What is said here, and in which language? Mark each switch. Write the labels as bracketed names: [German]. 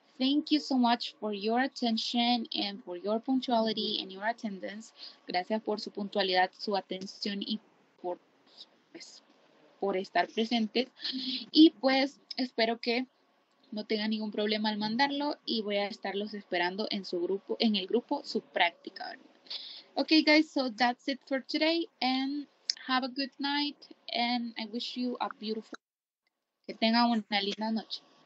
[English] Thank you so much for your attention and for your punctuality and your attendance. [Spanish] Gracias por su puntualidad, su atención y por, pues, por estar presentes. Y pues espero que no tengan ningún problema al mandarlo y voy a estarlos esperando en su grupo, en el grupo su práctica. [English] Okay, guys, so that's it for today and have a good night and I wish you a beautiful [Spanish] que tengan una linda noche.